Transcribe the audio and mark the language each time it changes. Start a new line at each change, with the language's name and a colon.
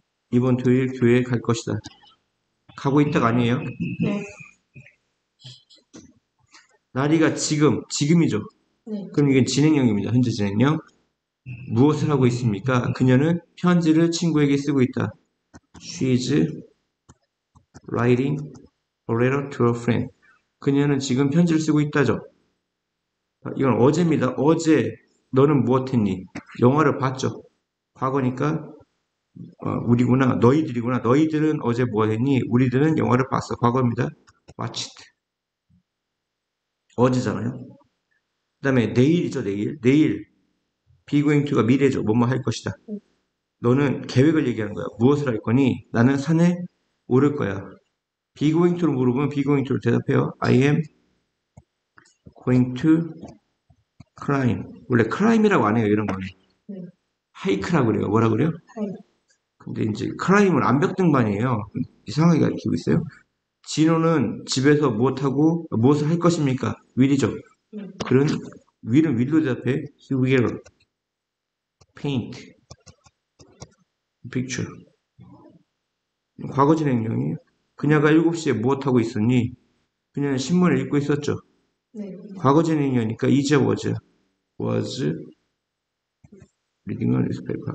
Korean: 이번 토요일 교회에 갈 것이다. 가고 있다가 아니에요? 나리가 지금이죠. 그럼 이건 진행형입니다. 현재 진행형. 무엇을 하고 있습니까? 그녀는 편지를 친구에게 쓰고 있다.
English: She is writing a letter to a friend.
Korean: 그녀는 지금 편지를 쓰고 있다죠. 이건 어제입니다. 어제 너는 무엇했니? 영화를 봤죠. 과거니까. 우리구나. 너희들이구나. 너희들은 어제 뭐 했니? 우리들은 영화를 봤어. 과거입니다. Watched. 어제잖아요. 그 다음에 내일이죠. 내일. 내일. Be going to가 미래죠. 뭐뭐 할 것이다. 너는 계획을 얘기하는 거야. 무엇을 할 거니? 나는 산에 오를 거야. Be going to로 물어보면 Be going to로 대답해요.
English: I am going to climb.
Korean: 원래 climb이라고 안 해요. 이런 거는. 하이크라고 그래요. 뭐라 그래요? 근데 이제 클라이밍은 암벽 등반이에요. 이상하게 가르치고 있어요. 진호는 집에서 무엇하고 무엇을 할 것입니까? 윌이죠. 그런 윌은 윌로 대답해.
English: He will paint picture.
Korean: 과거 진행형이에요. 그녀가 7시에 무엇하고 있었니? 그녀는 신문을 읽고 있었죠. 과거 진행형이니까 이제 was.
English: was reading a newspaper.